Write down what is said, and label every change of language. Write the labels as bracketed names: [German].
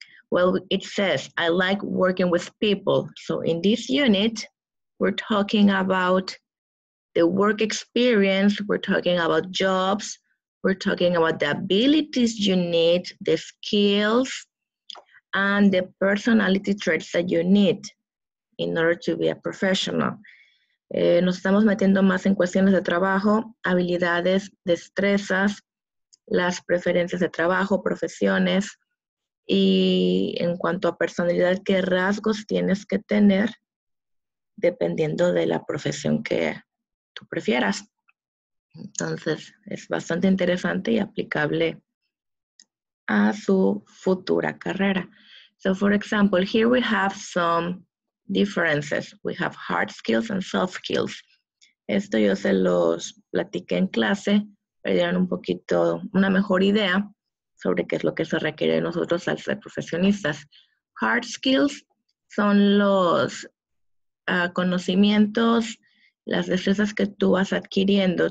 [English] Well, it says, I like working with people. So in this unit, we're talking about the work experience, we're talking about jobs, we're talking about the abilities you need, the skills, and the personality traits that you need in order to be a professional. [Spanish] Nos estamos metiendo más en cuestiones de trabajo, habilidades, destrezas, las preferencias de trabajo, profesiones, y en cuanto a personalidad, qué rasgos tienes que tener dependiendo de la profesión que tú prefieras. Entonces, es bastante interesante y aplicable a su futura carrera. [English] So, for example, here we have some differences. We have hard skills and soft skills. [Spanish] Esto yo se los platiqué en clase, pero dieron un poquito, una mejor idea sobre qué es lo que se requiere de nosotros al ser profesionistas. Hard skills son los conocimientos, las destrezas que tú vas adquiriendo.